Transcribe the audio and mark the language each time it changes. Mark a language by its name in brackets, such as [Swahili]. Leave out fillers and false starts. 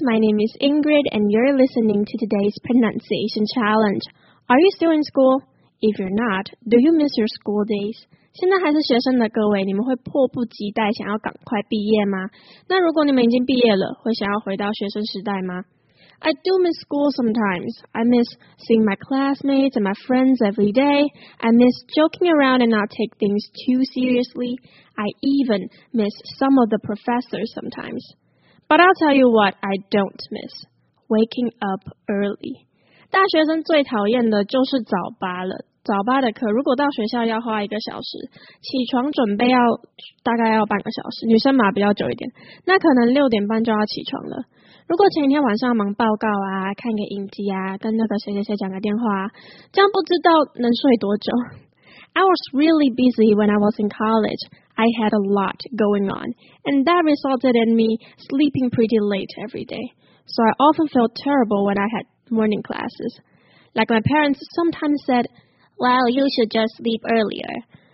[English] My name is Ingrid, and you're listening to today's pronunciation challenge. Are you still in school? If you're not, do you miss your school days? [Chinese] 现在还是学生的各位，你们会迫不及待想要赶快毕业吗？那如果你们已经毕业了，会想要回到学生时代吗？ [English] I do miss school sometimes. I miss seeing my classmates and my friends every day. I miss joking around and not take things too seriously. I even miss some of the professors sometimes. But I'll tell you what I don't miss. Waking up early. [Chinese] 大学生最讨厌的就是早八了。早八的课如果到学校要花一个小时，起床准备要大概要半个小时，女生嘛比较久一点，那可能六点半就要起床了。如果前一天晚上忙报告啊，看个影集啊，跟那个谁谁谁讲个电话啊，这样不知道能睡多久。 [English] I was really busy when I was in college. I had a lot going on, and that resulted in me sleeping pretty late every day. So I often felt terrible when I had morning classes. Like my parents sometimes said, well, you should just sleep earlier.